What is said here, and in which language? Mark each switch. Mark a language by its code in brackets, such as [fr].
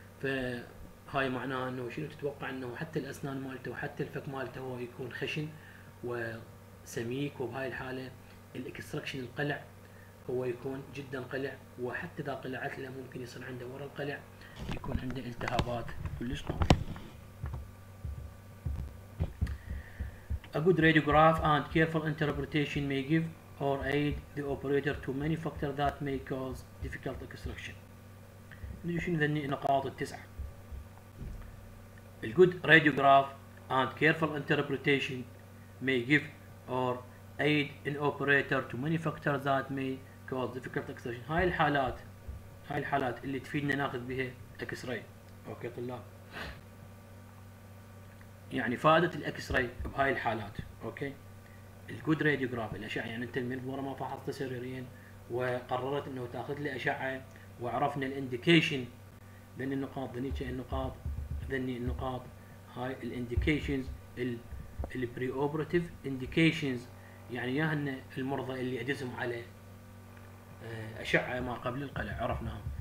[ar] فهاي معناه إنه شنو تتوقع إنه حتى الأسنان مالته وحتى الفك مالته هو يكون خشن وسميك، وبهاي الحالة الإكستراكشن القلع هو يكون جدا قلع، وحتى إذا قلعت له ممكن يصير عنده ورا القلع يكون عنده التهابات كلش قوية. [en] A good radiograph and careful interpretation may give or aid the operator to many factors that may cause difficult extraction. [ar] نشوف ذني النقاط التسعة. [en] A good radiograph and careful interpretation may give or aid an operator to many factors that may cause difficult extraction. [ar] هاي الحالات، هاي الحالات اللي تفيدنا ناخذ بها اكس راي. اوكي طلاب، يعني فائدة الاكس راي بهاي الحالات. اوكي الجود راديوغراف الاشعة، يعني انت من ورا ما فحصت سريرين وقررت انه تاخذ لي اشعة وعرفنا الانديكيشن بين النقاط، ذنيك النقاط، ذني النقاط هاي الانديكيشنز البري اوبراتيف انديكيشنز، يعني ياهن المرضى اللي ادزهم على اشعة ما قبل القلع عرفناهم.